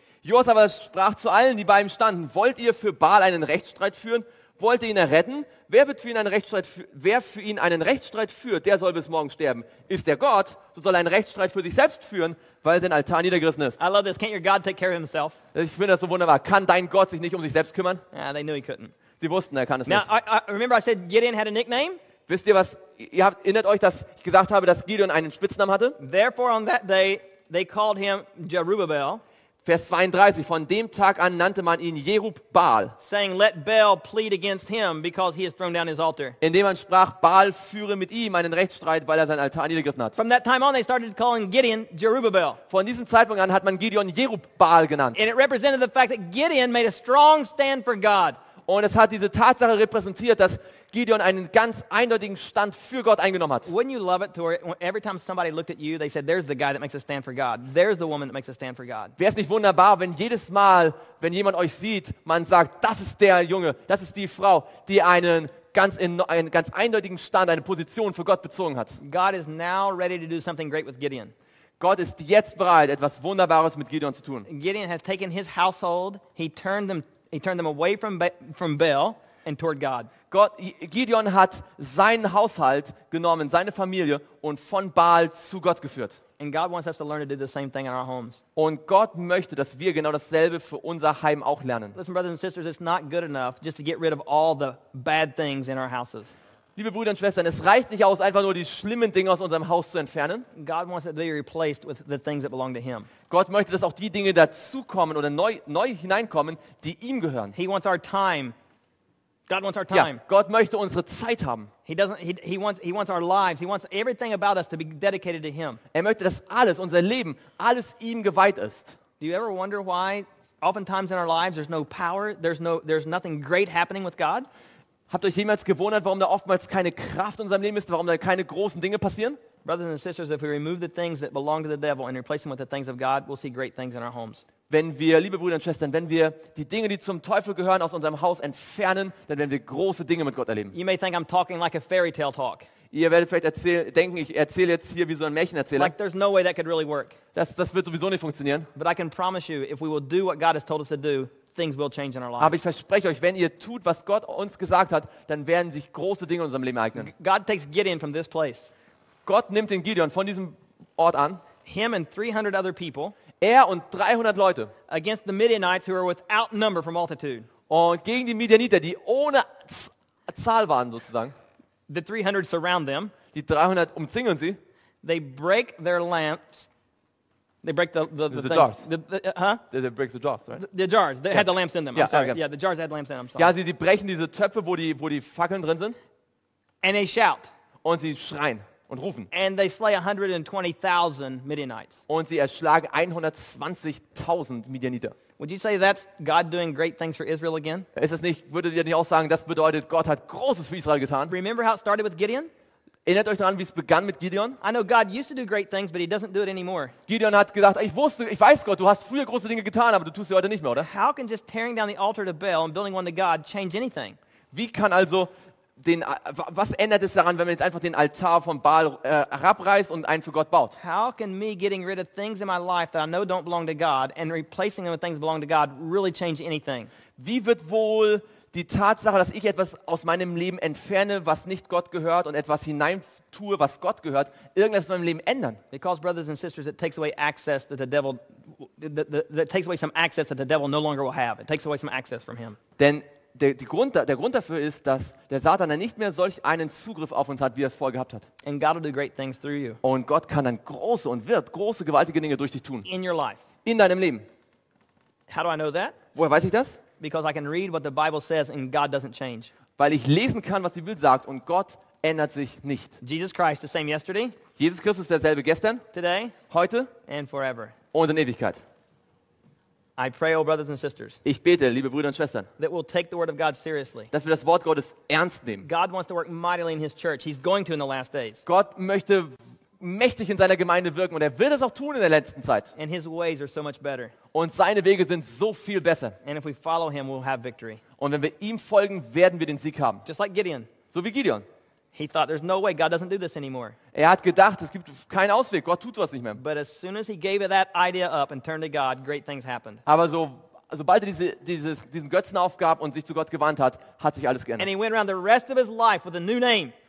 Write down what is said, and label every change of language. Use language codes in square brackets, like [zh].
[de] Joas aber sprach zu allen, die bei ihm standen, wollt ihr für Baal einen Rechtsstreit führen? Wollt ihr ihn erretten? Wer für ihn einen Rechtsstreit führt, der soll bis morgen sterben. Ist er Gott, so soll er einen Rechtsstreit für sich selbst führen, weil sein Altar niedergerissen ist. [en] I love this. Can't your God take care of himself? [de] Ich finde das so wunderbar. Kann dein Gott sich nicht um sich selbst kümmern? [en] Yeah, they knew he couldn't. [de] Sie wussten, er kann es [en] Now, [de] nicht. [en] Remember I said Gideon had a nickname? [de] Wisst ihr was, erinnert euch, dass ich gesagt habe, dass Gideon einen Spitznamen hatte? [en] Therefore on that day they called him Jerubbaal. [de] Vers 32, von dem Tag an nannte man ihn Jerubbaal. [en] Saying, let Baal plead against him, because he has thrown down his altar. [de] Indem man sprach, Baal führe mit ihm einen Rechtsstreit, weil er sein Altar niedergerissen hat. [en] From that time on, they started calling Gideon Jerubbaal. [de] Von diesem Zeitpunkt an hat man Gideon Jerubbaal genannt. [en] And it represented the fact that Gideon made a strong stand for God. [de] Und es hat diese Tatsache repräsentiert, dass Gideon einen ganz eindeutigen Stand für Gott eingenommen hat. [en] Wouldn't you love it to where every time somebody looked at you, they said, there's the guy that makes a stand for God. There's the woman that makes a stand for God. [de] Wäre es nicht wunderbar, wenn jedes Mal, wenn jemand euch sieht, man sagt, das ist der Junge, das ist die Frau, die einen ganz eindeutigen Stand, eine Position für Gott bezogen hat. [en] God is now ready to do something great with Gideon. [de] Gott ist jetzt bereit, etwas Wunderbares mit Gideon zu tun. [en] Gideon has taken his household, he turned them away from Baal and toward God. [de] Gideon hat seinen Haushalt genommen, seine Familie, und von Baal zu Gott geführt. [en] And God wants us to learn to do the same thing in our homes. [de] Und Gott möchte, dass wir genau dasselbe für unser Heim auch lernen. [en] Listen, brothers and sisters, it's not good enough just to get rid of all the bad things in our houses. [de] Liebe Brüder und Schwestern, es reicht nicht aus, einfach nur die schlimmen Dinge aus unserem Haus zu entfernen. [en] God wants it to be replaced with the things that belong to him. [de] Gott möchte, dass auch die Dinge dazukommen oder neu hineinkommen, die ihm gehören. [en] He wants our time. God wants our time. [de] Ja, Gott möchte unsere Zeit haben. [en] He wants our lives. He wants everything about us to be dedicated to him. [de] Er möchte, dass alles, unser Leben, alles ihm geweiht ist. [en] Do you ever wonder why oftentimes in our lives there's no power, there's nothing great happening with God? [de] Habt ihr euch jemals gewundert, warum da oftmals keine Kraft in unserem Leben ist, warum da keine großen Dinge passieren? [en] Brothers and sisters, if we remove the things that belong to the devil and replace them with the things of God, we'll see great things in our homes. [de] Wenn wir, liebe Brüder und Schwestern, wenn wir die Dinge, die zum Teufel gehören, aus unserem Haus entfernen, dann werden wir große Dinge mit Gott erleben. [en] You may think I'm talking like a fairy tale talk. [de] Ihr werdet vielleicht denken, ich erzähle jetzt hier wie so ein Märchenerzähler. [en] Like there's no way that could really work. [de] Das wird sowieso nicht funktionieren. [en] But I can promise you, if we will do what God has told us to do, things will change in our lives. [de] Aber ich verspreche euch, wenn ihr tut, was Gott uns gesagt hat, dann werden sich große Dinge in unserem Leben ereignen. [en] God takes Gideon from this place. [de] Gott nimmt den Gideon von diesem Ort an. [en] Him and 300 other people. [de] Er und 300 Leute. [en] Against the Midianites, who are without number for multitude. [de] Und gegen die Midianiter, die ohne Zahl waren sozusagen. [en] The 300 surround them. [de] Die 300 umzingeln sie. [en] They break their lamps. They break the jars. They break the jars, right? The jars. They had the lamps in them. Yeah, the jars had lamps in them. I'm sorry. [de] Ja, sie brechen diese Töpfe, wo die Fackeln drin sind. [en] And they shout. [de] Und sie schreien und rufen. [en] And they slay 120,000 Midianites. [de] Und sie erschlagen 120,000 Midianiter. [en] Would you say that's God doing great things for Israel again? [de] Ist es nicht? Würdet ihr nicht auch sagen, das bedeutet, Gott hat Großes für Israel getan? [en] Remember how it started with Gideon? [de] Erinnert euch daran, wie es begann mit Gideon? [en] I know God used to do great things, but he doesn't do it anymore. [de] Gideon hat gesagt, ich weiß Gott, du hast früher große Dinge getan, aber du tust sie heute nicht mehr, oder? [en] How can just tearing down the altar to Baal and building one to God change anything? [de] Wie kann also was ändert es daran, wenn man jetzt einfach den Altar von Baal herabreißt und einen für Gott baut? [en] How can me getting rid of things in my life that I know don't belong to God and replacing them with things that belong to God really change anything? [de] Wie wird wohl die Tatsache, dass ich etwas aus meinem Leben entferne, was nicht Gott gehört, und etwas hineintue, was Gott gehört, irgendetwas in meinem Leben ändern? [en] Because brothers and sisters, it takes away access that the devil that takes away some access that the devil no longer will have. It takes away some access from him. [de] Denn der Grund dafür ist, dass der Satan dann nicht mehr solch einen Zugriff auf uns hat, wie er es vorher gehabt hat. [en] And God will do great things through you. [de] Und Gott kann dann große und wird große gewaltige Dinge durch dich tun. [en] In your life. [de] In deinem Leben. [en] How do I know that? [de] Woher weiß ich das? [en] Because I can read what the Bible says and God doesn't change. [de] Weil ich lesen kann, was die Bibel sagt, und Gott ändert sich nicht. [en] Jesus Christ the same yesterday. [de] Jesus Christus derselbe gestern. [en] Today. [de] Heute. [en] And forever. [de] Und in Ewigkeit. [en] I pray, oh brothers and sisters. [de] Ich bete, liebe Brüder und Schwestern. [en] That we'll take the word of God seriously. [de] Dass wir das Wort Gottes ernst nehmen. [en] God wants to work mightily in His church. He's going to in the last days. [de] Gott möchte mächtig in seiner Gemeinde wirken, und er wird es auch tun in der letzten Zeit. [en] And his ways are so much better. [de] Und seine Wege sind so viel besser. [en] And if we follow him, we'll have victory. [de] Und wenn wir ihm folgen, werden wir den Sieg haben. [en] Just like Gideon. [de] So wie Gideon. [en] He thought, there's no way God doesn't do this anymore. [de] Er hat gedacht, es gibt keinen Ausweg, Gott tut sowas nicht mehr. [en] But as soon as he gave that idea up and turned to God, great things happened. [de] Aber sobald er diesen Götzen aufgab und sich zu Gott gewandt hat, hat sich alles geändert. [en] And he went around the rest of his life with a new name.